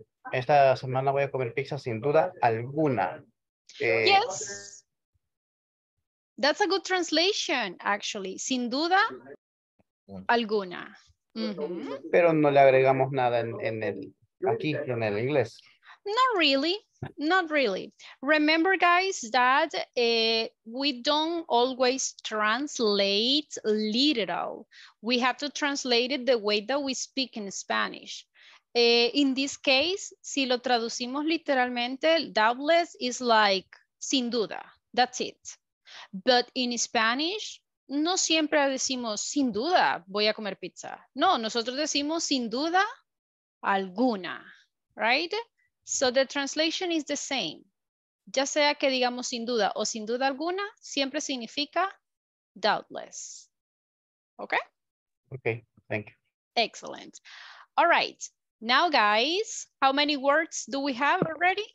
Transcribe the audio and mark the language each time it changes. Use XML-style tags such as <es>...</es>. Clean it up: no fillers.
<es>Esta semana voy a comer pizza sin duda alguna.</es> <en>Yes. That's a good translation, actually.</en> <es>Sin duda alguna. Mm-hmm. Pero no le agregamos nada en el inglés.</es> <en>Not really. Not really. Remember, guys, that we don't always translate literal. We have to translate it the way that we speak in Spanish. In this case,</en> <es>si lo traducimos literalmente,</es> <en>doubtless is like sin duda. That's it. But in Spanish,</en> <es>no siempre decimos sin duda voy a comer pizza. No, nosotros decimos sin duda alguna,</es> <en>right? So the translation is the same.</en> <es>Ya sea que digamos sin duda o sin duda alguna, siempre significa doubtless.</es> <en>Okay? Okay, thank you. Excellent. All right. Now, guys, how many words do we have already?</en>